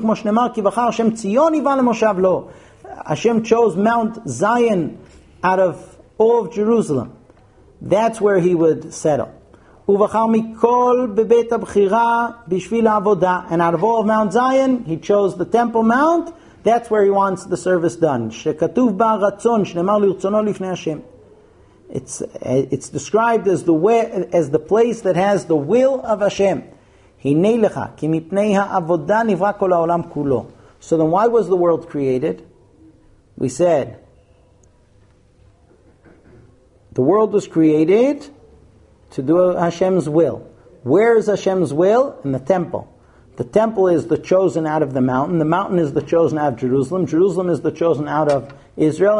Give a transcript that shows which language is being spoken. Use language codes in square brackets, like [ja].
[he] Kmo shenemar, ki vachar Hashem Tzion ivah lemoshav lo. [en] Hashem chose Mount Zion out of all of Jerusalem. That's where He would settle. [he] Uvachar mikol bebet habchira bishvil avodah, [en] and out of all of Mount Zion, He chose the Temple Mount. That's where He wants the service done. [he] שכתוב בה רצון, שנאמר לרצונו לפני השם. [en] It's described as the place that has the will of Hashem. [he] הנה לך, כי מפני העבודה נברא כל העולם כולו. [en] So then why was the world created? We said, the world was created to do Hashem's will. Where is Hashem's will? In the temple. The temple is the chosen out of the mountain. The mountain is the chosen out of Jerusalem. Jerusalem is the chosen out of Israel.